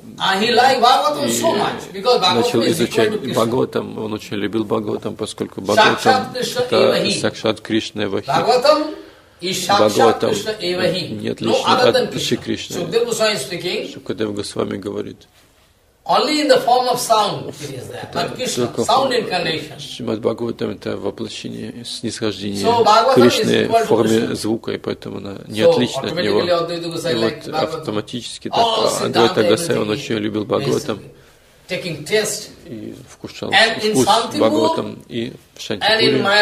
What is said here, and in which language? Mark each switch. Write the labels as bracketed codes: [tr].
[ru] начал изучать Бхагаватам. Он очень любил Бхагаватам, поскольку Бхагаватам – это [sa] Сакшат Кришна Эвахи. [ru] Бхагаватам не отлично от Шри Кришны. Шукадева Госвами говорит. [en] Only in the form of sound it is there, but Krishna, sound incarnation. [ru] Шримад Бхагаватам – это воплощение, снисхождение Кришны в форме звука, и поэтому она не отлична от него. И вот автоматически так, Адвайта Гасай, он очень любил Бхагаватам и вкушал вкус Бхагаватам, и в Шантипуре,